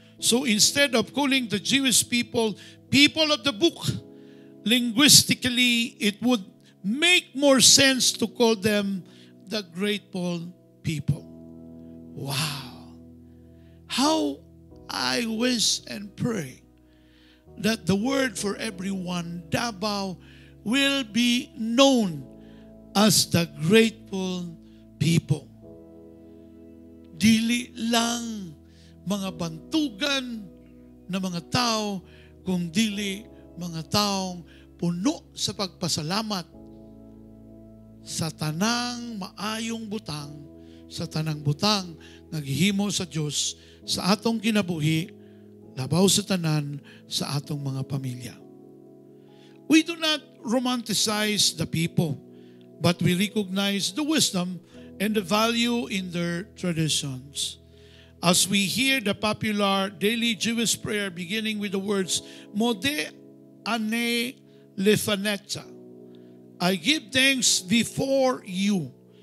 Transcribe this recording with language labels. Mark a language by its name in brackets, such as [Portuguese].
[English] So instead of calling the Jewish people of the book, linguistically, it would make more sense to call them the grateful people. Wow! How I wish and pray that the word for everyone, Dabao, will be known as the grateful people. [Cebuano] Dili lang mga bantugan na mga tao, kung dili mga taong puno sa pagpasalamat sa tanang maayong butang, sa tanang butang na gihimo sa Diyos sa atong kinabuhi, labaw sa tanan, sa atong mga pamilya. [English] We do not romanticize the people, but we recognize the wisdom and the value in their traditions. As we hear the popular daily Jewish prayer beginning with the words, [Hebrew] "Mode ane lefanecha," [English] I give thanks before you.